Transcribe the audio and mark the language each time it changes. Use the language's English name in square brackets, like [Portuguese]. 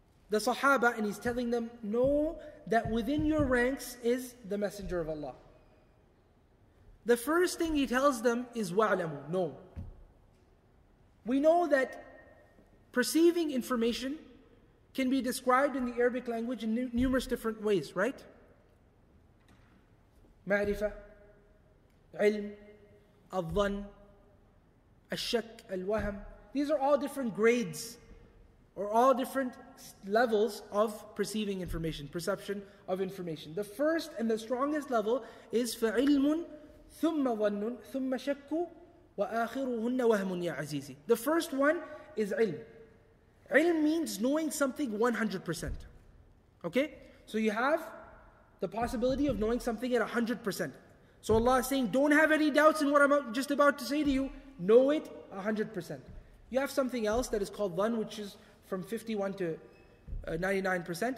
[English] The Sahaba, and he's telling them, know that within your ranks is the Messenger of Allah. The first thing he tells them is wa'lamu, know. We know that perceiving information can be described in the Arabic language in numerous different ways, right? [Arabic] معرفة علم الظن الشك الوهم. [English] These are all different grades or all different levels of perceiving information, perception of information. The first and the strongest level is [Arabic] فَعِلْمٌ ثُمَّ ظَنٌ ثُمَّ شَكُّ وَآخِرُهُنَّ وَهْمٌ يَا عَزِيزِ. [English] The first one is علم. علم means knowing something 100%. Okay? So you have the possibility of knowing something at 100%. So Allah is saying, don't have any doubts in what I'm just about to say to you. Know it 100%. You have something else that is called dhan, which is from 51 to 99%.